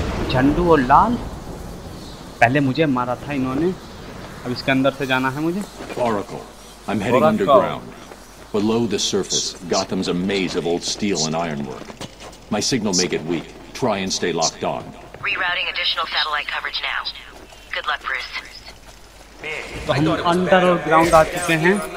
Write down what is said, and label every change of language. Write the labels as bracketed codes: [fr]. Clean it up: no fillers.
[hi] झंडू और लाल, पहले मुझे मारा था इन्होंने, अब इसके अंदर से जाना है मुझे। [en] Oracle, I'm heading underground. Below the surface, Gotham's a maze of old steel and ironwork. My signal may get weak. Try and stay locked on. Rerouting additional satellite coverage now. Good luck, Bruce. [hi] तो हम underground आ चुके हैं।